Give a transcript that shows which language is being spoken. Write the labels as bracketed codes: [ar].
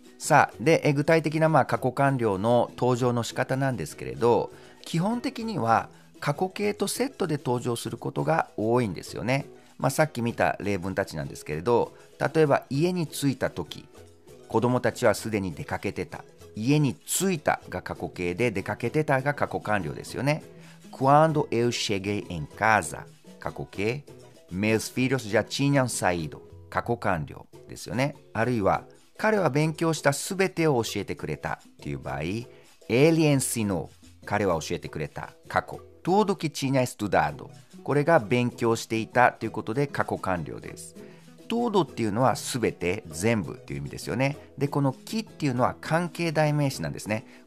[ja] さあ、で、具体的なまあ過去完了の登場の仕方なんですけれど、基本的には過去形とセットで登場することが多いんですよね。まあ、さっき見た例文たちなんですけれど、例えば家に着いた時、子供たちはすでに出かけてた、家に着いたが過去形で、出かけてたが過去完了ですよね。 [pt] Quando eu cheguei em casa 過去形、 meus filhos já tinham saído [ja] 過去完了ですよね。あるいは彼は勉強したすべてを教えてくれたっていう場合、 [pt] ele ensinou [ja] 彼は教えてくれた過去、 [pt] tudo que tinha estudado、 [ja] これが勉強していたということで過去完了です。トードっていうのはすべて、全部っていう意味ですよね。で、このキっていうのは関係代名詞なんですね。